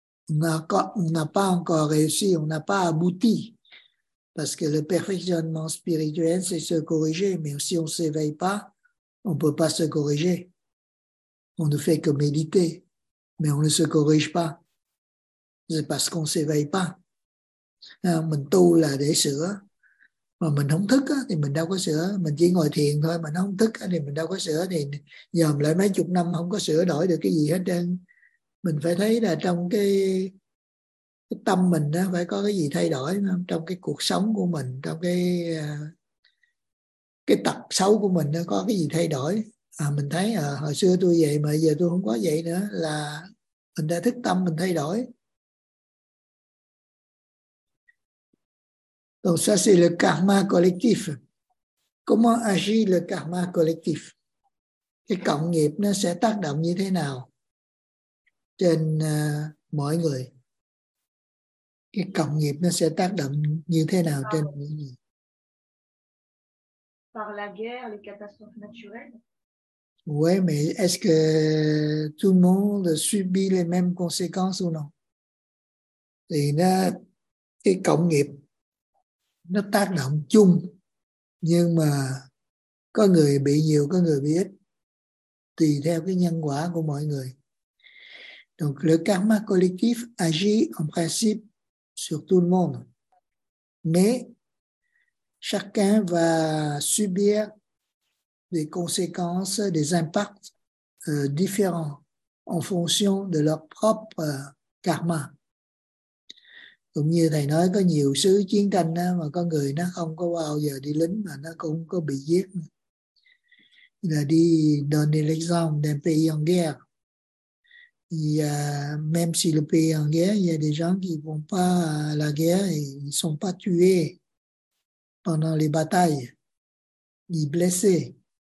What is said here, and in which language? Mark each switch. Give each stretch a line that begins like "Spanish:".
French: On n'a pas encore réussi, on n'a pas abouti. Parce que le perfectionnement spirituel, c'est se corriger. Mais si on ne s'éveille pas, on ne peut pas se corriger. On ne fait que méditer, mais on ne se corrige pas. C'est parce qu'on ne s'éveille pas.
Vietnamese: Mình tu là để sửa. Mà mình không thức thì mình đâu có sửa. Mình chỉ ngồi thiền thôi, mà nó không thức thì mình đâu có sửa. Thì dòm lại mấy chục năm không có sửa đổi được cái gì hết trơn. Mình phải thấy là trong cái tâm mình đó phải có cái gì thay đổi trong cái cuộc sống của mình, trong cái tật xấu của mình nó có cái gì thay đổi. Mình thấy hồi xưa tôi vậy mà giờ tôi không có vậy nữa, là mình đã thức tâm mình thay đổi.
French: Donc ça c'est le karma collectif. Comment agit le karma collectif?
Vietnamese: Cái cộng nghiệp nó sẽ tác động như thế nào trên mọi người? Cái cộng nghiệp nó sẽ tác động như thế nào trên mọi người?
French: Par la guerre, les catastrophes naturelles. Ouais, mais est-ce que tout le monde subit les mêmes conséquences ou non?
Vietnamese: Thì nó cái cộng nghiệp nó tác động chung, nhưng mà có người bị nhiều, có người bị ít, tùy theo cái nhân quả của mọi người.
French: Donc le karma collectif agit en principe sur tout le monde, mais chacun va subir des conséquences, des impacts différents en fonction de leur propre karma.
Vietnamese: Cũng như thầy nói, có nhiều xứ chiến tranh đó, mà có người nó không có bao giờ đi lính mà nó cũng có bị giết. Là đi
French: donner l'exemple d'un pays en guerre. Et même si le pays est en guerre, il y a des gens qui ne vont pas à la guerre et ils ne sont pas tués pendant les batailles, ni blessés.